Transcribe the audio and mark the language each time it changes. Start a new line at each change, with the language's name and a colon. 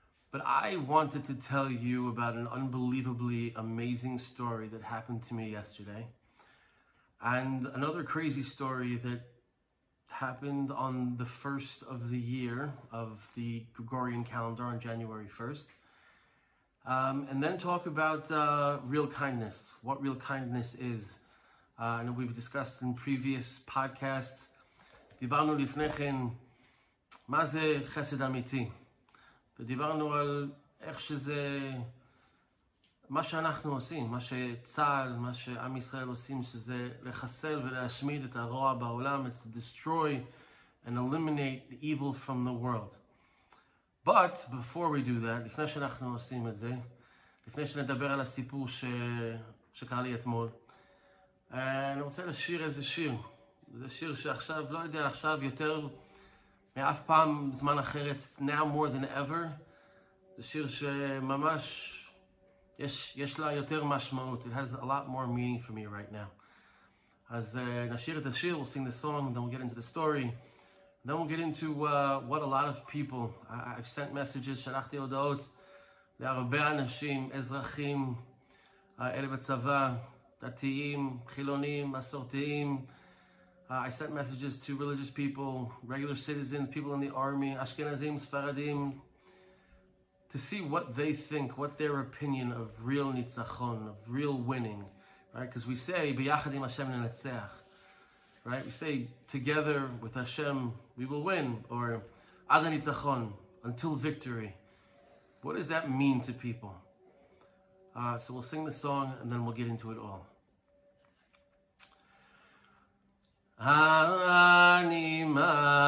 English: But I wanted to tell you about an unbelievably amazing story that happened to me yesterday, and another crazy story that happened on the first of the year of the Gregorian calendar on January 1st, and then talk about real kindness, what real kindness is. I know we've discussed in previous podcasts.
Hebrew: דיברנו לפני כן, מה זה חסד אמיתי? ודיברנו על איך שזה, מה שאנחנו עושים, מה שצהל, מה שעם ישראל עושים, שזה לחסל ולהשמיד את הרוע בעולם.
English: It's to destroy and eliminate the evil from the world. But before we do that,
Hebrew: לפני שאנחנו עושים את זה, לפני שנדבר על הסיפור שקרה לי אתמול, אני רוצה לשיר איזה שיר. זה שיר שעכשיו, לא יודע, עכשיו יותר מאף פעם זמן אחרת,
English: now more than ever.
Hebrew: זה שיר שממש יש לה יותר משמעות.
English: It has a lot more meaning for me right now.
Hebrew: אז נשיר את השיר,
English: we'll sing the song, then we'll get into the story. Then we'll get into what a lot of people, I've sent messages,
Hebrew: שלחתי הודעות להרבה אנשים, אזרחים, אלה בצבא, דתיים, חילונים, מסורתיים,
English: I sent messages to religious people, regular citizens, people in the army, Ashkenazim, Sfaradim, to see what they think, what their opinion of real nitzachon, of real winning, right? Because we say,
Hebrew: b'yachad im Hashem nenetzeach,
English: right? We say, together with Hashem, we will win, or
Hebrew: ad nitzachon,
English: until victory. What does that mean to people? So we'll sing the song, and then we'll get into it all.
Hebrew: Ani ma'amin